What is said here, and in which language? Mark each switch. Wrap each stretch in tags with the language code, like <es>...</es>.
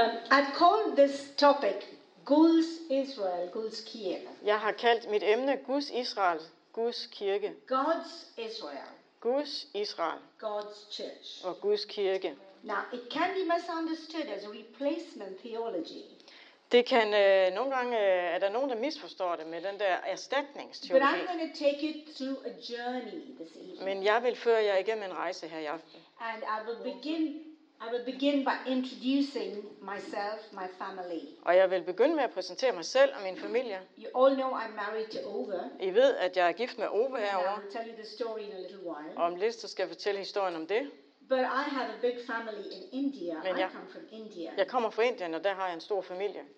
<en>I've called this topic Guds Israel, Guds Kirke.</en> <da>Jeg har kaldt mit emne Guds Israel, Guds Kirke.</da> <en>God's Israel.</en> <da>Guds Israel.</da> <en>God's church.</en> <da>Og Guds kirke.</da> <en>Now, it can be misunderstood as a replacement theology.</en> <da>Det kan nogle gange er der nogen der misforstår det med den der erstatningsteologi.</da> <en>But I'm going to take you through a journey this evening.</en> <da>Men jeg vil føre jer igennem en rejse her i aften.</da> <en>And I will begin by introducing myself, my family.</en> <da>Og jeg vil begynde med at præsentere mig selv og min familie.</da> <en>You all know I'm married to Ove.</en> <da>I ved, at jeg er gift med Ove herovre.</da> <en>I'll tell you the story in a little while.</en> <da>Og om lidt, så skal jeg fortælle historien om det.</da> <en>But I have a big family in India.</en> <da>Men</da> <en>I come from India.</en> <da>Jeg kommer fra Indien, og der har jeg en stor familie.</da>